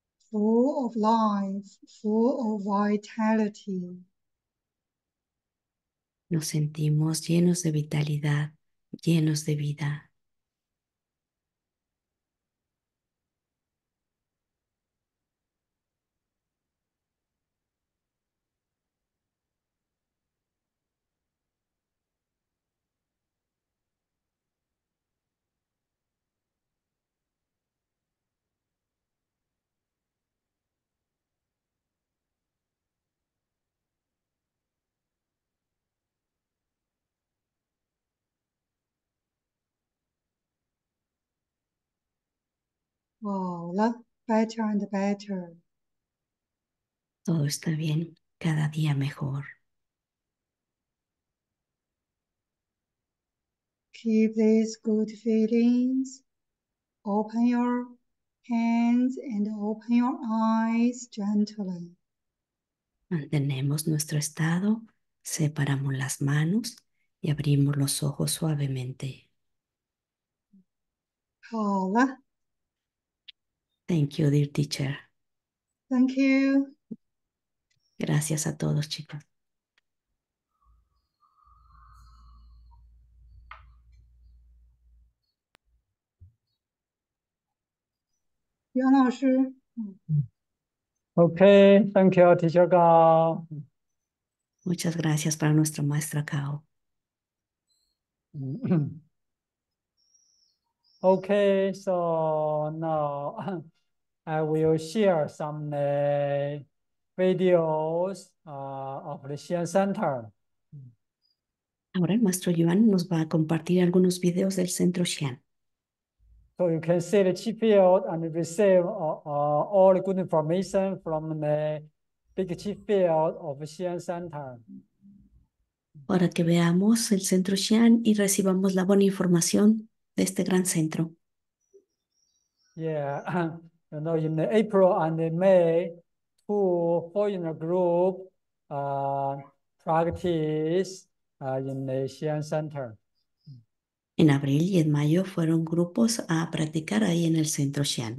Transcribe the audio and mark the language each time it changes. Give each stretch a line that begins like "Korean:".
English: Full of life, full of vitality.
Spanish: Nos sentimos llenos de vitalidad, llenos de vida.
English: Oh, look, better and better.
Spanish: Todo está bien, cada día mejor.
English: Keep these good feelings. Open your hands and open your eyes gently.
Spanish: Mantenemos nuestro estado, separamos las manos y abrimos los ojos suavemente. Hola.
English: Thank you, dear teacher. Thank you.
Spanish: Gracias a todos, chicos.
Chinese: 杨老师，
English: Okay, thank you, teacher Gao.
Spanish: Muchas gracias para nuestro maestro Cao.
English: Okay, so now. I will share some videos of the Xian Center.
Spanish: Ahora el maestro Yuan nos va a compartir algunos videos del centro Xian.
English: So you can see the chi field and receive all the good information from the big chi field of Xian Center.
Spanish: Para que veamos el centro Xian y recibamos la buena información de este gran centro.
English: Yeah. You know, in the April and the May, two foreign group practice in the Xi'an Center.
Spanish: En abril y en mayo fueron grupos a practicar ahí en el centro Xian.